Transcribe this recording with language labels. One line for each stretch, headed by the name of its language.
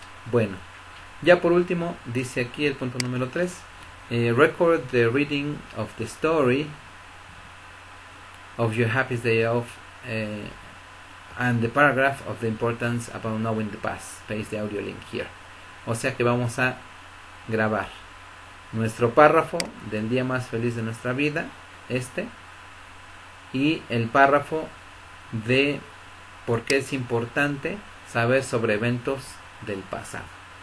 Spanish: Bueno, ya por último, dice aquí el punto número 3.
English: Record the reading of the story of your happiest day off and the paragraph of the importance about knowing the past. Paste the audio link here.
Spanish: O sea que vamos a grabar nuestro párrafo del día más feliz de nuestra vida, y el párrafo de por qué es importante saber sobre eventos del pasado.